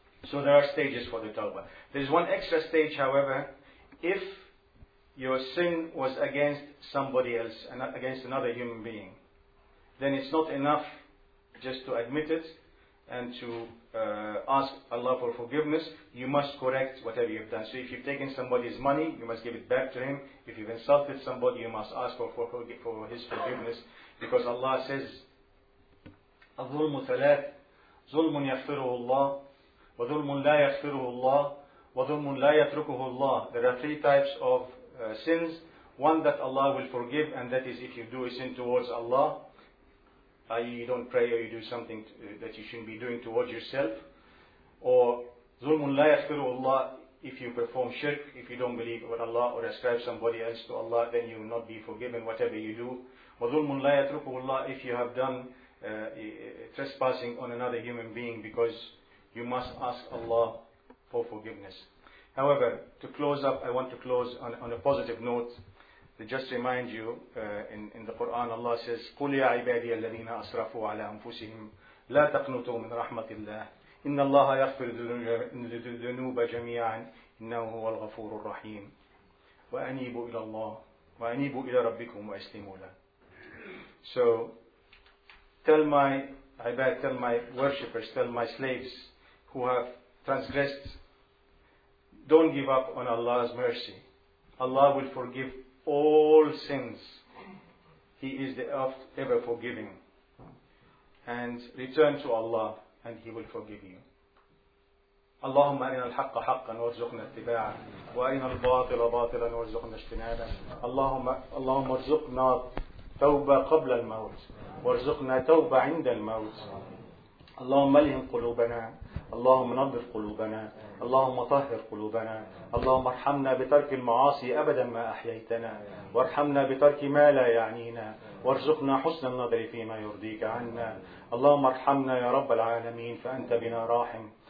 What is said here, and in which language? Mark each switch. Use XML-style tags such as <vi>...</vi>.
<en>So there are stages for the tawbah. There's one extra stage, however, if your sin was against somebody else, and against another human being, then it's not enough just to admit it, and to ask Allah for forgiveness, you must correct whatever you've done. So if you've taken somebody's money, you must give it back to him. If you've insulted somebody, you must ask for his forgiveness. Because Allah says,</en> <ar>الظلم ثلاث, ظلم يغفره الله, وظلم لا يغفره الله, وظلم لا يتركه الله.</ar> <en>There are three types of sins. One that Allah will forgive, and that is if you do a sin towards Allah, i.e. you don't pray or you do something that you shouldn't be doing towards yourself. Or</en> <ar>ظُلْمٌ لَا يَخْفِرُ اللَّهِ,</ar> <en>if you perform shirk, if you don't believe in Allah or ascribe somebody else to Allah, then you will not be forgiven whatever you do.</en> <ar>وَظُلْمٌ لَا يَتْرُكُ اللَّهِ,</ar> <en>if you have done trespassing on another human being, because you must ask Allah for forgiveness. However, to close up, I want to close on a positive note. Just remind you, in the Quran, Allah says,</en> <ar>قُلْ يَا عِبَادِيَ الَّذِينَ أَصْرَفُوا عَلَىٰ أَنفُسِهِمْ لَا تَقْنُطُوا مِنْ رَحْمَةِ اللَّهِ إِنَّ اللَّهَ يَغْفِرُ الذُّنُوبَ جَمِيعًا إِنَّهُ هُوَ الْغَفُورُ الرَّحِيمُ وَأَنِيبُوا إِلَى اللَّهِ وَأَنِيبُوا إِلَى رَبِّكُمْ وَأَسْلِمُوا لَهُ.</ar> <en>So, tell my worshippers, tell my slaves who have transgressed, don't give up on Allah's mercy. Allah will forgive all sins. He is the ever forgiving. And return to Allah and He will forgive you.</en> <ar>اللهم أرنا الحق حقا وارزقنا اتباعه وأرنا الباطل باطلا وارزقنا اجتنابه اللهم ارزقنا توبة قبل الموت وارزقنا توبة عند الموت اللهم ألهم قلوبنا اللهم نظف قلوبنا اللهم طهر قلوبنا اللهم ارحمنا بترك المعاصي أبدا ما أحييتنا وارحمنا بترك ما لا يعنينا وارزقنا حسن النظر فيما يرضيك عنا اللهم ارحمنا يا رب العالمين فأنت بنا راحم</ar>